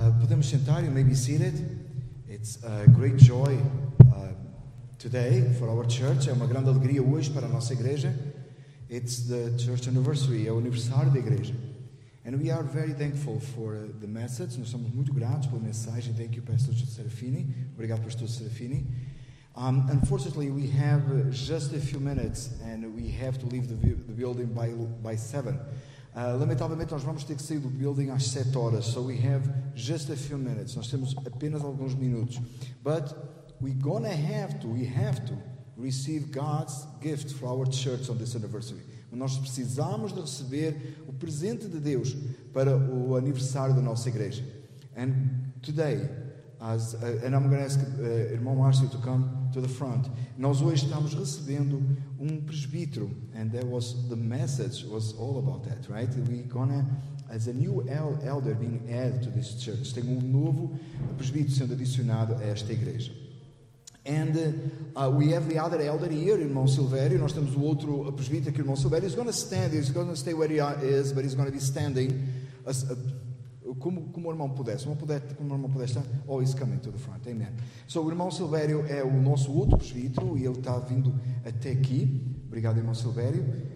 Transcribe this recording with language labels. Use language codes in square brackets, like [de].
[pt] Podemos sentar, [en] you may be seated. It's a great joy today for our church. [pt] É uma grande alegria hoje para a nossa igreja. [en] It's the church anniversary. [pt] É o aniversário da igreja. [en] And we are very thankful for the message. [pt] Nós somos muito gratos pela mensagem. [en] Thank you, Pastor Serafini. [pt] Obrigado, [en] Pastor Serafini. Unfortunately, we have just a few minutes and we have to leave the building by 7. [pt] Lamentavelmente, nós vamos ter que sair do building às 7 horas. [en] So we have just a few minutes. [pt] Nós temos apenas alguns minutos. [en] But we're going to have to, we have to receive God's gift for our church on this anniversary. [pt] Nós precisamos de receber o presente de Deus para o aniversário da nossa igreja. [en] And today, and I'm going to ask irmão Márcio to come to the front. [pt] Nós hoje estamos recebendo um presbítero. [en] And that was the message, was all about that, right? We're going to, as a new elder being added to this church. [pt] Tem um novo presbítero sendo adicionado a esta igreja. [en] And we have the other elder here, irmão Silvério. [pt] Nós temos o outro presbítero aqui, irmão Silvério. [en] He's going to stand, he's going to stay where he is, but he's going to be standing as, [pt] como o irmão pudesse. Como o irmão pudesse, [en] oh, he's coming to the front, amen. [pt] So, o irmão Silvério é o nosso outro presbítero e ele está vindo até aqui. Obrigado, irmão Silvério.